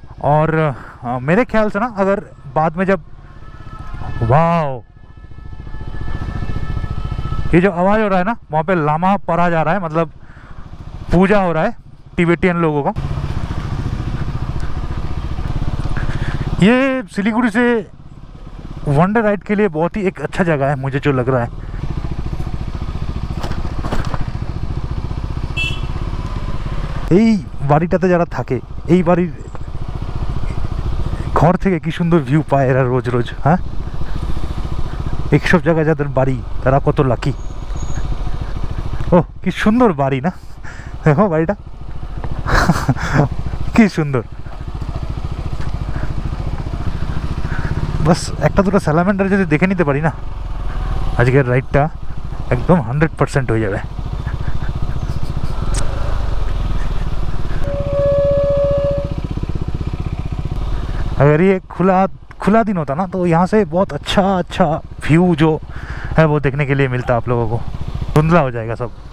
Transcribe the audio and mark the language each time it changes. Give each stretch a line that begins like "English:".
Hindi: और मेरे ख्याल से ना अगर बाद में जब वाओ ये जो आवाज़ हो रहा है ना वहाँ पे लामा पढ़ा जा रहा है, मतलब पूजा हो रहा है टिबेटियन लोगों का। ये सिलीगुड़ी से वंडर राइड के लिए बहुत ही एक अच्छा जगह है मुझे जो लग रहा है।
Bangla: এই বাড়িটাতে যারা থাকে এই বাড়ির ঘর থেকে কি সুন্দর ভিউ পায় এরা রোজ রোজ। হ্যাঁ, এইসব জায়গায় যাদের বাড়ি তারা কত লাকি। ও কি সুন্দর বাড়ি না, দেখো বাড়িটা কি সুন্দর। বাস একটা দুটো স্যালামেন্ডার যদি দেখে নিতে পারি না, আজকের রাইডটা একদম 100% হয়ে যাবে।
Hindi: अगर ये खुला खुला दिन होता ना तो यहाँ से बहुत अच्छा अच्छा व्यू जो है वो देखने के लिए मिलता आप लोगों को। धुंधला हो जाएगा सब।